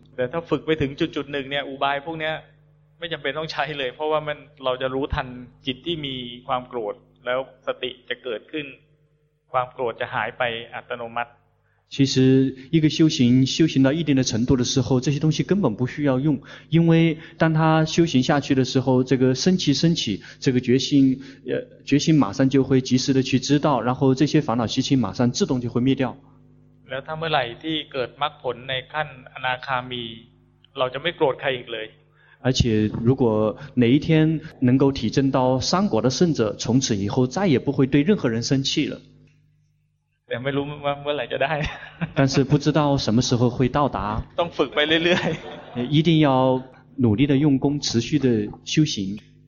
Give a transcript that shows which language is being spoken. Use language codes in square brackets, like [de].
[th] แต่ถ้าฝึกไปถึงจุดหนึ่งเนี่ยอุบายพวกเนี้ยไม่จำเป็นต้องใช้เลยเพราะว่ามันเราจะรู้ทันจิตที่มีความโกรธแล้วสติจะเกิดขึ้นความโกรธจะหายไปอัตโนมัติ [zh] 其实一个修行到一定的程度的时候这些东西根本不需要用因为当他修行下去的时候这个升起这个决心马上就会及时的去知道然后这些烦恼习气马上自动就会灭掉 [th] แล้วถ้าเมื่อไหร่ที่เกิดมรรคผลในขั้นอนาคามีเราจะไม่โกรธใครอีกเลย [zh] 而且如果哪一天能够体证到三果的圣者从此以后再也不会对任何人生气了 [th] แต่ไม่รู้ว่าเมื่อไหร่จะได้ [zh] 但是不知道什么时候会到达 [th] ต้องฝึกไปเรื่อย [zh] ๆ一定要努力的用功持续的修行